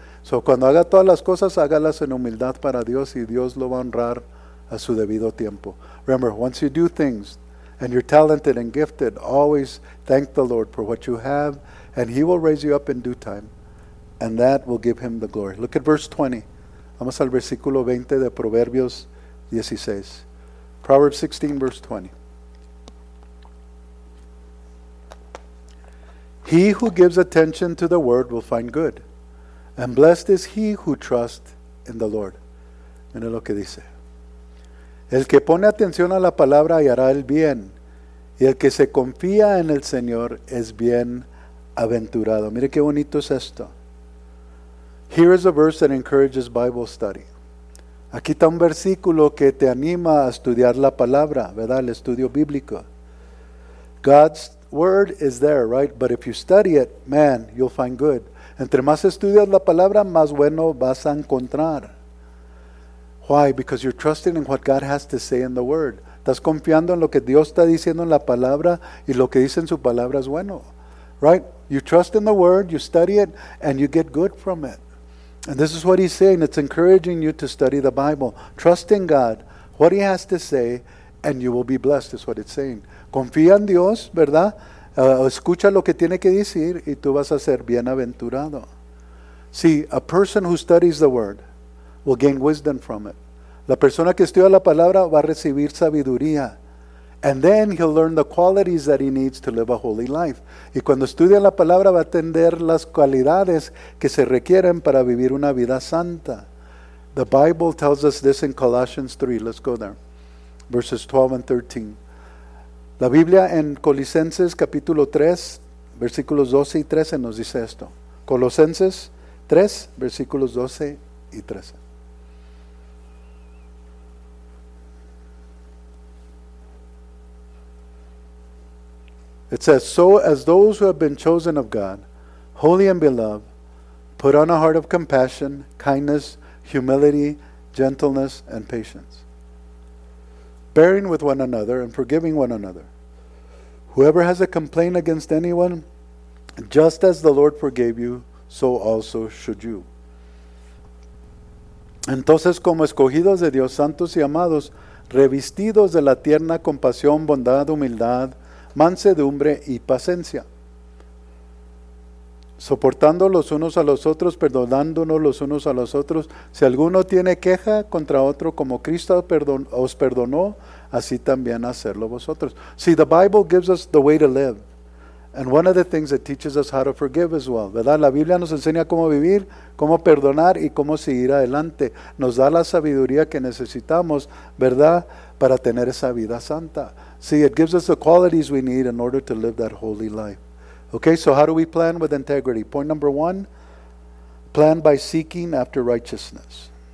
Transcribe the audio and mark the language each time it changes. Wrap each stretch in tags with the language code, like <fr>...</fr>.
<es>So, cuando haga todas las cosas, hágalas en humildad para Dios y Dios lo va a honrar a su debido tiempo.</es> <en>Remember, once you do things and you're talented and gifted, always thank the Lord for what you have and he will raise you up in due time and that will give him the glory. Look at verse 20.</en> <es>Vamos al versículo 20 de Proverbios 16.</es> <en>Proverbs 16, verse 20. He who gives attention to the word will find good. And blessed is he who trusts in the Lord.</en> <es>Mira lo que dice. El que pone atención a la palabra hallará el bien. Y el que se confía en el Señor es bien aventurado. Mire qué bonito es esto.</es> <en>Here is a verse that encourages Bible study.</en> <es>Aquí está un versículo que te anima a estudiar la palabra, ¿verdad? El estudio bíblico.</es> <en>God's word is there, right? But if you study it, man, you'll find good.</en> <es>Entre más estudias la palabra, más bueno vas a encontrar.</es> <en>Why? Because you're trusting in what God has to say in the word.</en> <es>Estás confiando en lo que Dios está diciendo en la palabra y lo que dice en su palabra es bueno.</es> <en>Right? You trust in the word, you study it, and you get good from it. And this is what he's saying. It's encouraging you to study the Bible. Trust in God, what he has to say, and you will be blessed, is what it's saying.</en> <es>Confía en Dios, ¿verdad? Escucha lo que tiene que decir y tú vas a ser bienaventurado.</es> <en>See, a person who studies the word will gain wisdom from it.</en> <es>La persona que estudia la palabra va a recibir sabiduría.</es> <en>And then he'll learn the qualities that he needs to live a holy life.</en> <es>Y cuando estudia la palabra va a tener las cualidades que se requieren para vivir una vida santa.</es> <en>The Bible tells us this in Colossians 3. Let's go there. Verses 12 and 13.</en> <es>La Biblia en Colosenses capítulo 3, versículos 12 y 13 nos dice esto. Colosenses 3, versículos 12 y 13.</es> <en>It says, so as those who have been chosen of God, holy and beloved, put on a heart of compassion, kindness, humility, gentleness, and patience. Bearing with one another and forgiving one another. Whoever has a complaint against anyone, just as the Lord forgave you, so also should you.</en> <es>Entonces, como escogidos de Dios, santos y amados, revestidos de la tierna compasión, bondad, humildad, mansedumbre y paciencia, soportando los unos a los otros, perdonándonos los unos a los otros. Si alguno tiene queja contra otro, como Cristo os perdonó, así también hacerlo vosotros.</es> <en>See, the Bible gives us the way to live. And one of the things that teaches us how to forgive as well.</en> <es>¿Verdad? La Biblia nos enseña cómo vivir, cómo perdonar y cómo seguir adelante. Nos da la sabiduría que necesitamos, ¿verdad? Para tener esa vida santa.</es> <en>See, it gives us the qualities we need in order to live that holy life. Okay, so how do we plan with integrity? Point number one, plan by seeking after righteousness.</en>